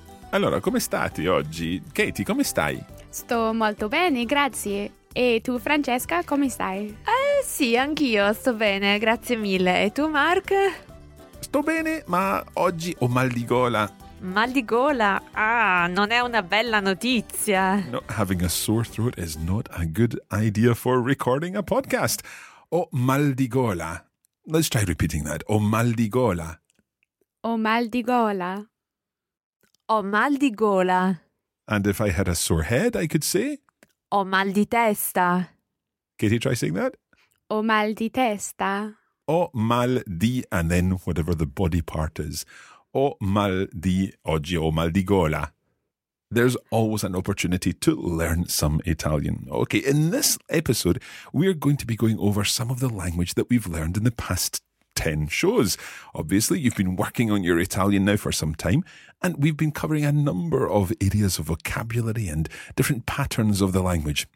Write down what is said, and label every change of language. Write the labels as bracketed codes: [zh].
[it] Allora, come state oggi? Katie, come stai? Sto molto bene, grazie. E tu, Francesca, come stai? Sì, anch'io sto bene, grazie mille. E tu, Mark? Sto bene, ma oggi ho mal di gola. Mal di gola? Ah, non è una bella notizia. [en] No, having a sore throat is not a good idea for recording a podcast. [it] Oh, mal di gola. [en] Let's try repeating that. [it] Oh, mal di gola. Oh, mal di gola. Oh, mal di gola. [en] And if I had a sore head, I could say? [it] Oh, mal di testa. [en] Katie, try saying that. [it] Oh, mal di testa. Oh, mal di, [en] and then whatever the body part is. [it] O mal di oggi o mal di gola. [en] There's always an opportunity to learn some Italian. Okay, in this episode, we're going to be going over some of the language that we've learned in the past 10 shows. Obviously, you've been working on your Italian now for some time, and we've been covering a number of areas of vocabulary and different patterns of the language.